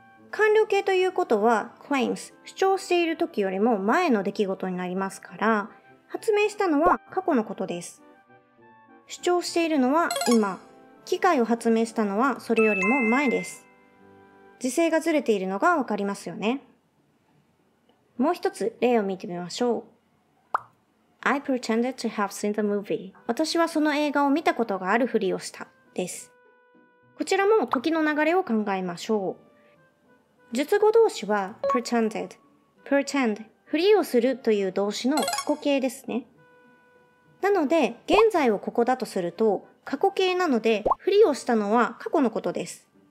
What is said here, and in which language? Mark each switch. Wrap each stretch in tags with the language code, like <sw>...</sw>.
<ja>完了形ということは claims 主張している時よりも前の出来事になりますから発明したのは過去のことです。主張しているのは今、機械を発明したのはそれよりも前です。時制がずれているのがわかりますよね。もう一つ例を見てみましょう。</ja> <en>I pretended to have seen the movie.</en> <ja>私はその映画を見たことがあるふりをしたです。こちらも時の流れを考えましょう。述語動詞は pretended。pretend、ふりをするという動詞の過去形ですね。なので、現在をここだとすると、過去形なので、ふりをしたのは過去のことです。</ja>